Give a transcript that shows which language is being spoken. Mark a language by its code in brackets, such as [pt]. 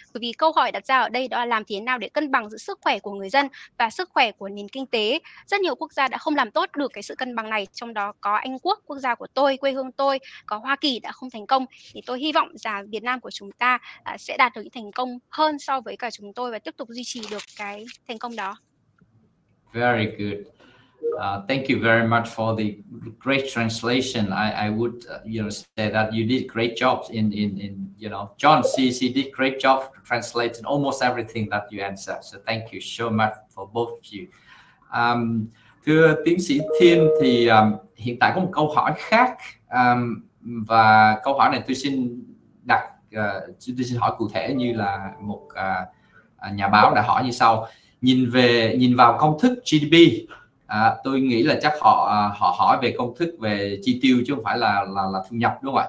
[vi] Bởi vì câu hỏi đặt ra ở đây đó là làm thế nào để cân bằng giữa sức khỏe của người dân và sức khỏe của nền kinh tế. Rất nhiều quốc gia đã không làm tốt được cái sự cân bằng này, trong đó có Anh Quốc, quốc gia của tôi, quê hương tôi, có Hoa Kỳ đã không thành công. Thì tôi hy vọng rằng Việt Nam của chúng ta sẽ đạt được những thành công hơn so với cả chúng tôi và tiếp tục duy trì được cái thành công đó. [en] Very good. Thank you very much for the great translation. I would say that you did great jobs in you know, John CC did great job translating almost everything that you answered. So thank you so much for both of you. [vi] Thưa tiến sĩ Thiên thì hiện tại có một câu hỏi khác, và câu hỏi này tôi xin đặt tôi xin hỏi cụ thể như là một nhà báo đã hỏi như sau. Nhìn vào công thức GDP, tôi nghĩ là chắc họ hỏi về công thức về chi tiêu chứ không phải là thu nhập, đúng không ạ?